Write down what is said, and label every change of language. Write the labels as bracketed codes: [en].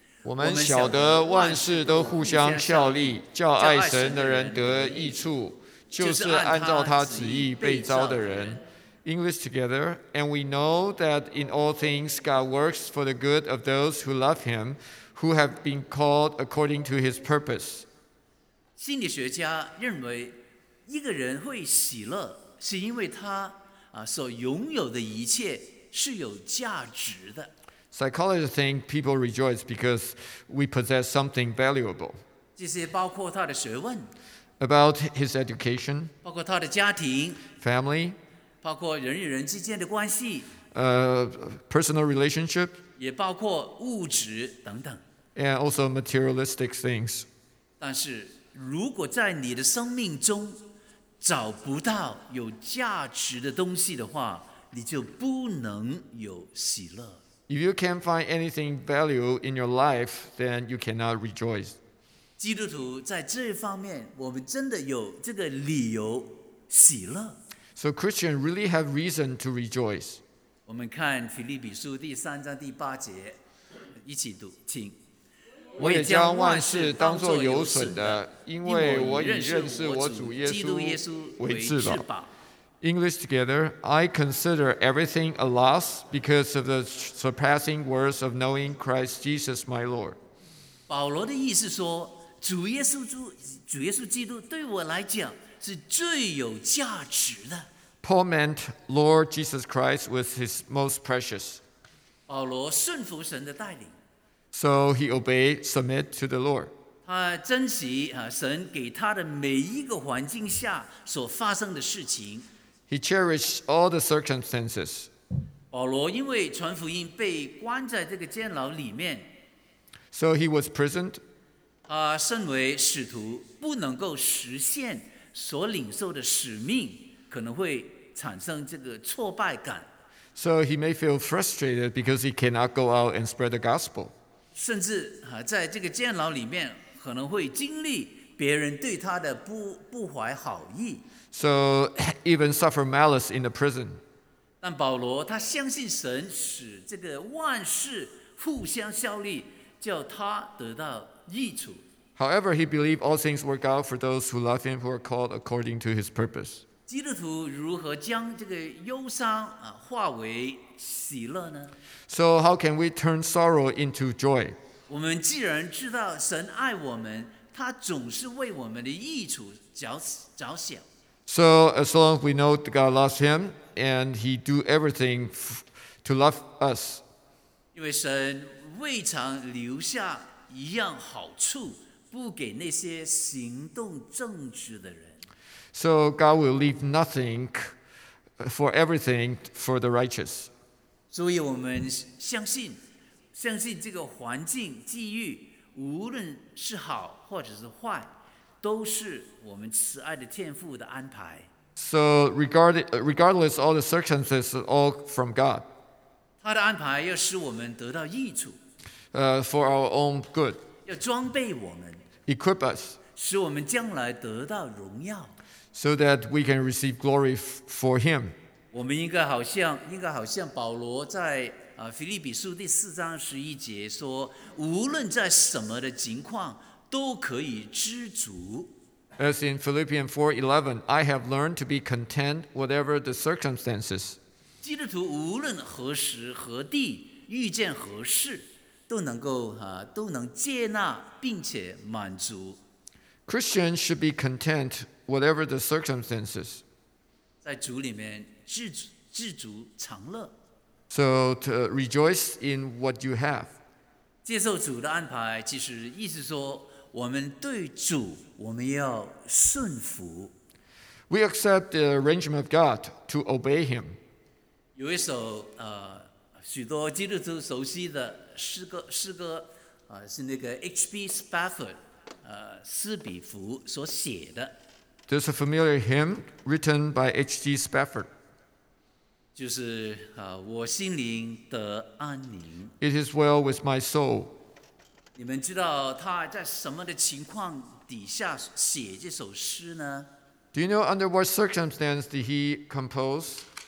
[zh] 我们晓得万事都互相效力，叫爱神的人得益处，就是按照他旨意被召的人。 [en] English together, and we know that in all things God works for the good of those who love him, who have been called according to his purpose. [zh] 心理学家认为一个人会喜乐是因为他所拥有的一切是有价值的。 [en] Psychologists think people rejoice because we possess something valuable. [zh] 这些包括他的学问， [en] about his education, [zh] 包括他的家庭， [en] family, [zh] 包括人与人之间的关系， [en] personal relationship, [zh] 也包括物质等等， [en] and also materialistic things. [zh] 但是如果在你的生命中找不到有价值的东西的话，你就不能有喜乐。 [en] If you can't find anything value in your life, then you cannot rejoice. [zh] 基督徒在这方面，我们真的有这个理由喜乐。 [en] So Christians really have reason to rejoice. [zh] 我们看腓立比书第三章第八节，一起读，请。我也将万事当作有损的，因为我已认识我主耶稣为至宝。 [en] English together, I consider everything a loss because of the surpassing worth of knowing Christ Jesus my Lord. [zh] 保罗的意思说，主耶稣基督对我来讲是最有价值的。 [en] Paul meant Lord Jesus Christ was his most precious. [zh] 保罗顺服神的带领。 [en] So he obeyed, submit to the Lord. [zh] 他珍惜神给他的每一个环境下所发生的事情。 [en] He cherished all the circumstances. [zh] 保罗因为传福音被关在这个监牢里面。 [en] So he was prisoned. [zh] 他身为使徒，不能够实现所领受的使命，可能会产生这个挫败感。 [en] So he may feel frustrated because he cannot go out and spread the gospel. [zh] 甚至在这个监牢里面，可能会经历别人对他的不怀好意。 [en] So even suffer malice in the prison. [zh] 但保罗他相信神使这个万事互相效力，叫他得到益处。 [en] However, he believed all things work out for those who love him, who are called according to his purpose. [zh] 基督徒如何将这个忧伤化为喜乐呢？ [en] So how can we turn sorrow into joy? [zh] 我们既然知道神爱我们，他总是为我们的益处着想。 [en] So as long as we know that God loves him and he do everything to love us. [zh] 因为神未尝留下一样好处不给那些行动正直的人。 [en] So God will leave nothing for everything for the righteous. [zh] 所以我们相信这个环境机遇无论是好或者是坏都是我们慈爱的天父的安排。 [en] So regardless all the circumstances are all from God. [zh] 他的安排要使我们得到益处。 [en] For our own good. [zh] 要装备我们。 [en] Equip us. [zh] 使我们将来得到荣耀。 [en] So that we can receive glory for him. [zh] 我们应该好像保罗在腓立比书第四章十一节说，无论在什么的情况都可以知足。 [en] As in Philippians 4:11, I have learned to be content whatever the circumstances. [zh] 基督徒无论何时何地遇见何事，都能接纳并且满足。 [en] Christians should be content whatever the circumstances. [zh] 在主里面知足常乐。 [en] So to rejoice in what you have. [zh] 接受主的安排，其实意思说，我们对主，我们要顺服。 [en] We accept the arrangement of God to obey Him. [zh] 有一首许多基督徒熟悉的诗歌是那个 H.B. Spafford 斯比弗所写的。 [en] There's a familiar hymn written by H.G. Spafford. [zh] 就是我心灵得安宁。 [en] It is well with my soul. [zh] 你们知道他在什么的情况底下写这首诗呢？ [en] Do you know under what circumstance did he compose?